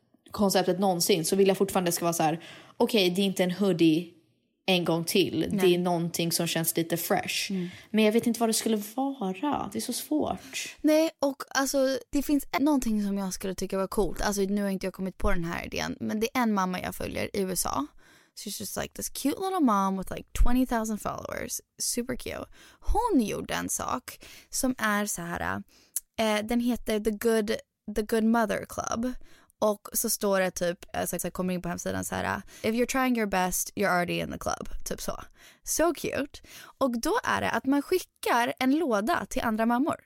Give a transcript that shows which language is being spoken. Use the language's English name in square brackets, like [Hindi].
[Swedish] konceptet någonsin, så vill jag fortfarande ska vara så här: okej, okay, det är inte en hoodie en gång till. Nej. Det är någonting som känns lite fresh. Mm. Men jag vet inte vad det skulle vara. Det är så svårt. Nej, och alltså det finns någonting som jag skulle tycka var coolt. Alltså nu har inte jag kommit på den här idén, men det är en mamma jag följer i USA. [English] She's just like this cute little mom with like 20,000 followers. Super cute. [Swedish] Hon gjorde en sak som är så här. Den heter The Good Mother Club. Och så står det typ, så kommer in på hemsidan så här: [English] if you're trying your best, you're already in the club. [Swedish] Typ så. [English] So cute. [Swedish] Och då är det att man skickar en låda till andra mammor.